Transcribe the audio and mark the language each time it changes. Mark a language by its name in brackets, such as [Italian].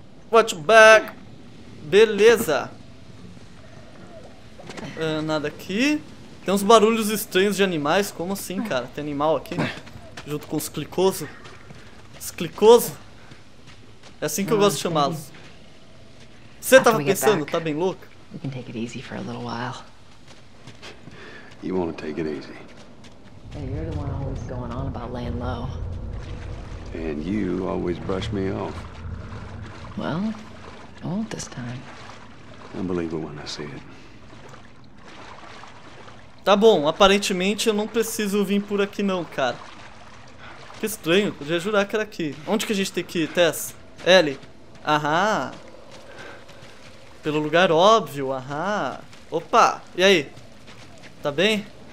[English] Watch your back. Beleza. [Portuguese] Nada aqui. Tem uns barulhos estranhos de animais. Como assim, cara? Tem animal aqui? Junto com os clicoso. Os clicoso? É assim que eu gosto de chamá-los. Você tava pensando? Tá bem louco? [English] We can take it easy for a little while. You want to take it easy. Hey, you're the one always going on about laying low. And you always brush me off. Well, I won't this time. I believe it when I see it. [Portuguese] Tá bom, aparentemente eu não preciso vir por aqui não, cara. Que estranho, podia jurar que era aqui. Onde que a gente tem que ir, Tess? Ellie? Aham. Pelo lugar óbvio, aham. Opa, e aí? Tá bem?